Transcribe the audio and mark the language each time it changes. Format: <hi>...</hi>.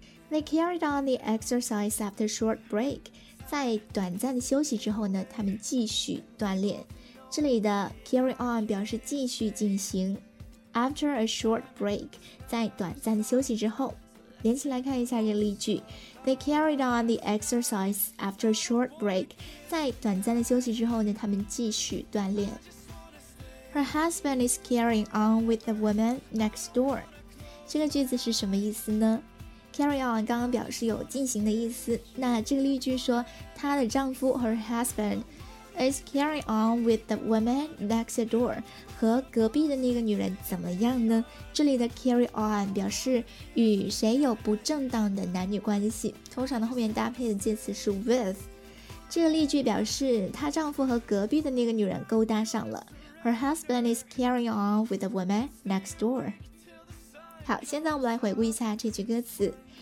<en>They carried on the exercise after a short break.</en> <zh>在短暂的休息之后呢，他们继续锻炼。这里的 carry on 表示继续进行。 After a short break, 在短暂的休息之后，连起来看一下这个例句。</zh> <en>They carried on the exercise after a short break.</en> <zh>在短暂的休息之后呢，他们继续锻炼。</zh> <en>Her husband is carrying on with the woman next door.</en> <zh>这个句子是什么意思呢？ Carry on 刚刚表示有进行的意思，那这个例句说她的丈夫 her husband is carrying on with the woman next door，和隔壁的那个女人怎么样呢？这里的 carry on 表示与谁有不正当的男女关系，通常的后面搭配的介词是 with，这个例句表示她丈夫和隔壁的那个女人勾搭上了。</zh> <en>Her husband is carrying on with the woman next door.</en> <zh>好，现在我们来回顾一下这句歌词。</zh>